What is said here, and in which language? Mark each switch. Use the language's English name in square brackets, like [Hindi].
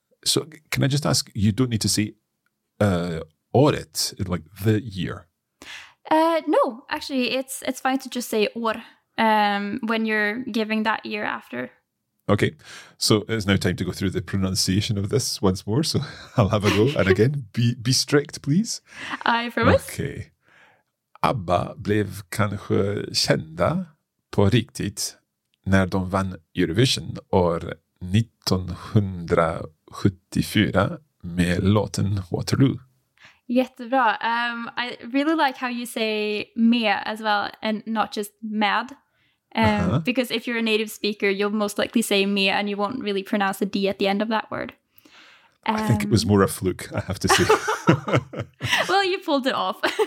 [English] So can I just ask, you don't need to say året, like the year. No, actually, it's fine to just say år when you're giving that year after. Okay, so it's now time to go through the pronunciation of this once more. So I'll have a go. And again, be strict, please. I promise. Okay. [Swedish] ABBA blev kanske kända på riktigt när de vann Eurovision år 1974 med låten Waterloo. Jättebra. [English] I really like how you say med as well, and not just med. Uh-huh. Because if you're a native speaker, you'll most likely say me and you won't really pronounce the D at the end of that word. I think it was more a fluke, I have to say. Well, you pulled it off.